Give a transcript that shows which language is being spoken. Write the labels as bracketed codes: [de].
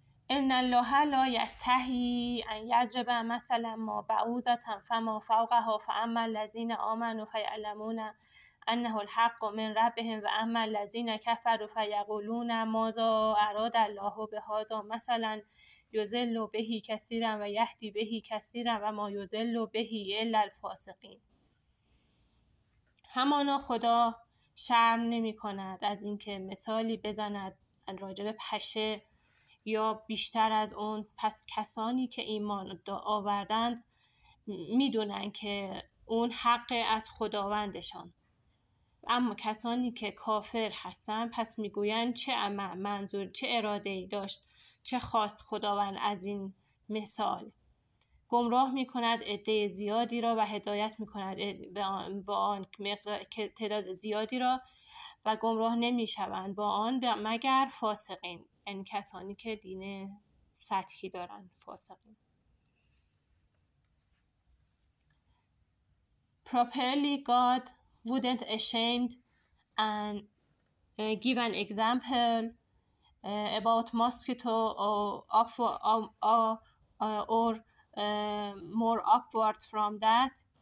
[ar] إن الله لا يستحي أن يضرب مثلا ما بعوضة فما فوقها فأما الذين آمنوا فيعلمون أنه الحق من ربهم وأما الذين كفروا فيقولون ماذا أراد الله بهذا مثلا يضل به كثيرا ويهدي به كثيرا وما يضل به إلا الفاسقين. [fa] همانا خدا شرم نمی کند از اینکه مثالی بزند راجب پشه یا بیشتر از اون، پس کسانی که ایمان آوردند میدونن که اون حق از خداوندشان، اما کسانی که کافر هستن پس میگوین چه منظور، چه اراده ای داشت، چه خواست خداوند از این مثال. گمراه میکند عده زیادی را و هدایت میکند با آن تعداد زیادی را و گمراه نمیشوند با آن مگر فاسقین، این کسانی که دین سطحی دارن، فاسقین. [en] Properly, God wouldn't ashamed and give an example about mosquito or more upward from that.